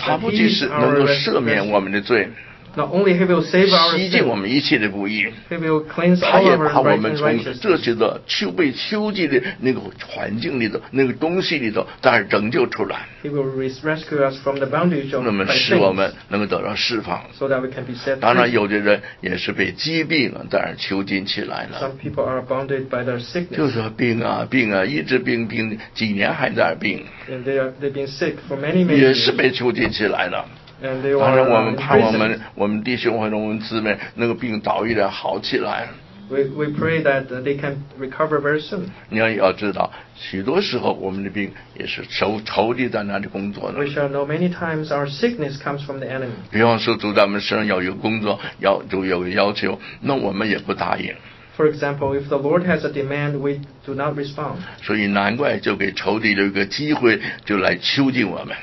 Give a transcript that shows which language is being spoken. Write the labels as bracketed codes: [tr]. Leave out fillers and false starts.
[zh] 他不仅是能够赦免我们的罪 [en] Not only he will save our sin, [zh] 洗净我们一切的不义，他也把我们从这些的被囚禁的那个环境里头、那个东西里头，但是拯救出来。 [en] He will rescue us from the bondage of sin. [zh] 那么使我们能够得到释放。 [en] So that we can be set free. [zh] 当然，有的人也是被疾病啊，但是囚禁起来了。 [en] Some people are bounded by their sickness. [zh] 就是病啊，一直病几年还在病。 [en] And they've been sick for many many years. [zh] 也是被囚禁起来了。 [en] And they are [zh] 当然，我们盼我们弟兄或者我们姊妹那个病早一点好起来。 [en] We pray that they can recover very soon. [zh] 你要知道，许多时候我们的病也是仇敌在那里工作的。 [en] We shall know many times our sickness comes from the enemy. [zh] 比方说，主在我们身上要有工作，要主有个要求，那我们也不答应。 [en] For example, if the Lord has a demand, we do not respond. [zh] 所以难怪就给仇敌这个机会，就来囚禁我们。